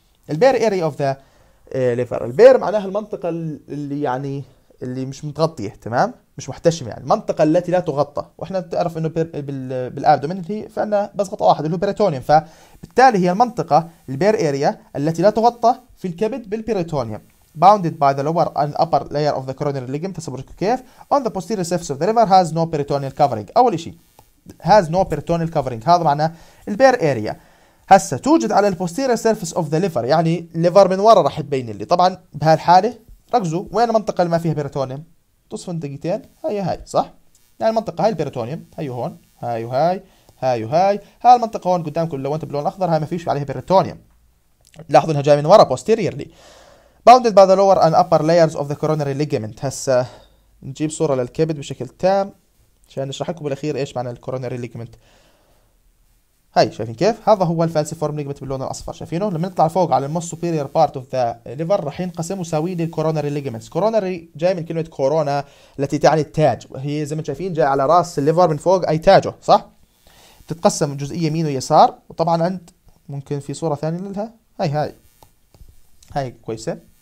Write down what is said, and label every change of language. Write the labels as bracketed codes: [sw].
[ar] البير اريا اوف ذا ليفر، البير معناها المنطقه اللي يعني اللي مش متغطيه، تمام، مش محتشمه، يعني المنطقه التي لا تغطى. واحنا تعرف انه بالابدومين هي فانا بضغط واحد اللي هو بيريتونيوم، فبالتالي هي المنطقه البير اريا التي لا تغطى في الكبد بالبيريتونيوم. [en] bounded by the lower and upper layer of the coronary ligament. [ar] تصبرك كيف؟ [en] on the posterior surface of the liver has no peritoneal covering. [ar] أول شيء [en] has no peritoneal covering، [ar] هذا معناه البير اريا. هسه توجد على البوستيريور سيرفس اوف ذا ليفر، يعني الليفر من ورا راح تبين لي. طبعا بهالحاله ركزوا وين المنطقه اللي ما فيها بيريتونيوم، تصفن دقيقتين، هاي هاي صح، يعني المنطقه هاي البيريتونيوم، هاي هون، هاي وهاي، هاي وهاي، هاي المنطقه هون قدامكم لو انت بلون اخضر، هاي ما فيش عليها بيريتونيوم، لاحظوا انها جايه من ورا بوستيريورلي. [en] bounded by the lower and upper layers of the coronary ligament. [ar] هسه نجيب صوره للكبد بشكل تام عشان نشرح لكم بالاخير ايش معنى الكورونري ليجمنت. هاي شايفين كيف؟ هذا هو الفالسي فورم ليجمنت باللون الاصفر، شايفينه؟ لما نطلع فوق على الموست سوبيريور بارت اوف ذا ليفر راح ينقسم ويساوي لي الكورونري ليجمنت. كورونري جاي من كلمه كورونا التي تعني التاج، وهي زي ما شايفين جاي على راس الليفر من فوق اي تاجه، صح؟ بتتقسم جزئيه يمين ويسار، وطبعا عند ممكن في صوره ثانيه لها؟ هاي هاي هاي كويسه.